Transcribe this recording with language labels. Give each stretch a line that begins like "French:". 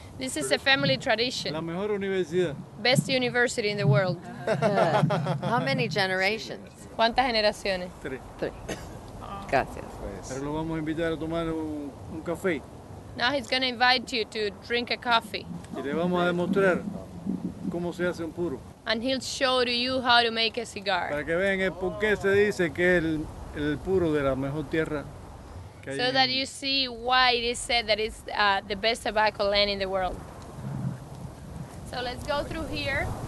English: This is a family tradition.
Spanish: La mejor universidad.
English: Best university in the world. How many generations?
Spanish: ¿Cuántas generaciones? Tres. Gracias. Pero lo vamos a invitar a tomar un café.
English: Now he's going to invite you to drink a coffee.
Spanish: Y le vamos a demostrar cómo se hace un puro.
English: And he'll show to you how to make a cigar.
Spanish: Para que vean el por qué se dice que es el puro de la mejor tierra que
English: so
Spanish: hay.
English: So that you see why it is said that it's the best tobacco land in the world. So let's go through here.